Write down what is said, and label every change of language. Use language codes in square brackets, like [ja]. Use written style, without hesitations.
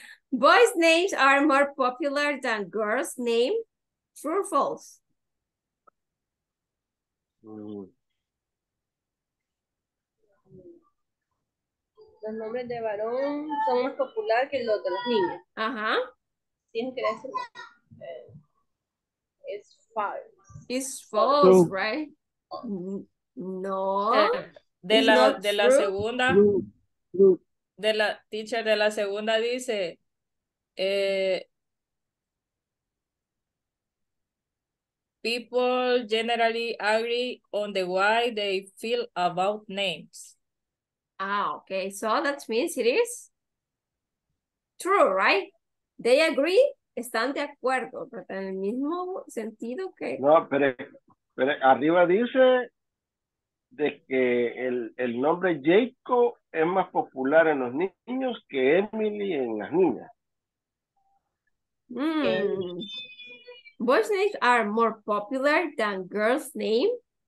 [en] Boys names are more popular than girls name. True or false? [es] Los nombres de varón son más populares que los de los niños. Ajá. Sí, es false. [en] It's false, true. Right? No. [es] De la true. Segunda. True. De la teacher de la segunda dice. [en] People generally agree on the way they feel about names. Ah, okay. So that means it is true, right? They agree, [es] están de acuerdo, pero en el mismo sentido que... No, pero arriba dice de que el nombre Jacob es más popular en los niños que Emily en las niñas. Mm. [en] Boys' names are more popular than girls' names.